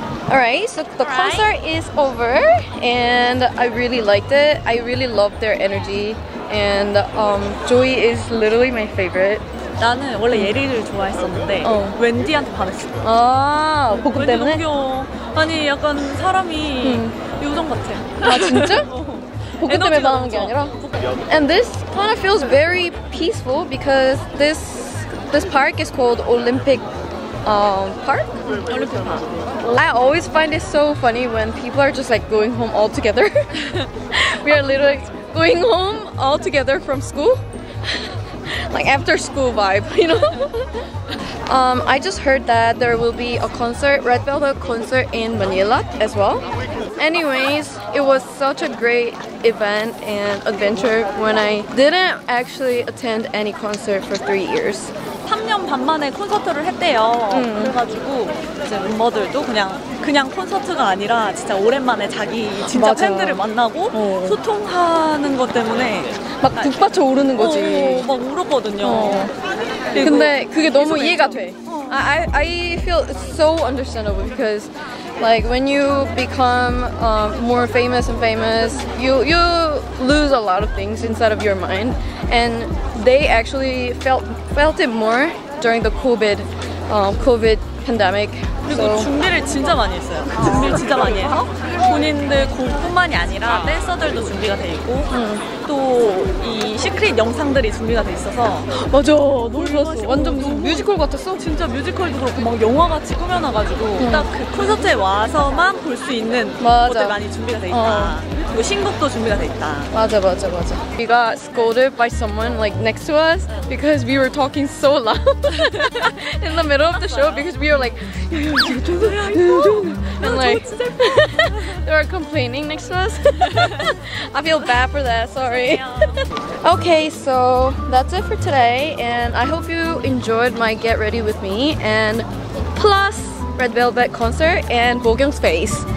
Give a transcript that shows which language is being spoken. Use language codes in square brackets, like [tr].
[en] Alright, so the concert is over and I really liked it. I really loved their energy. And Joey is literally my favorite. [ko] 나는 원래 예리를 좋아했었는데 웬디한테 반했어. 아, 복근 때문에? 귀여워. 아니 약간 사람이 요정 같아. 아 진짜? 복근 때문에 반한 게 아니라? [en] And this kind of feels very peaceful because this park is called Olympic Park? Olympic Park. I always find it so funny when people are just like going home all together. We are literally going home all together from school. Like after school vibe, you know? I just heard that there will be a concert, Red Velvet concert in Manila as well. Anyways, it was such a great event and adventure when I didn't actually attend any concert for 3 years. [ko] 3년 반 만에 콘서트를 했대요. 그래가지고 이제 멤버들도 그냥 콘서트가 아니라 진짜 오랜만에 자기 진짜 맞아. 팬들을 만나고 소통하는 것 때문에 막 북받쳐 오르는 거지. 막 울었거든요. 근데 그게 너무 이해가 돼. [en] I feel so understandable because like when you become more famous and famous, you lose a lot of things inside of your mind. And they actually felt it more during the COVID pandemic. [ko] 그리고 so. 준비를 진짜 많이 했어요. 준비를 진짜 많이 해서 본인들 곡뿐만이 아니라 댄서들도 준비가 돼 있고 또 이 시크릿 영상들이 준비가 돼 있어서 맞아 너무 좋았어. 완전 무슨 뮤지컬 같았어. 진짜 뮤지컬도 그렇고 막 영화같이 꾸며놔가지고 딱 그 콘서트에 와서만 볼 수 있는 맞아. 것들 많이 준비가 돼 있다. 그리고 신곡도 준비가 돼 있다. 맞아. [en] We got scolded by someone like next to us because we were talking so loud in the middle of the show because we were like and like they were complaining next to us. I feel bad for that, sorry. Okay, so that's it for today and I hope you enjoyed my get ready with me and plus Red Velvet concert and Bogyeong's face.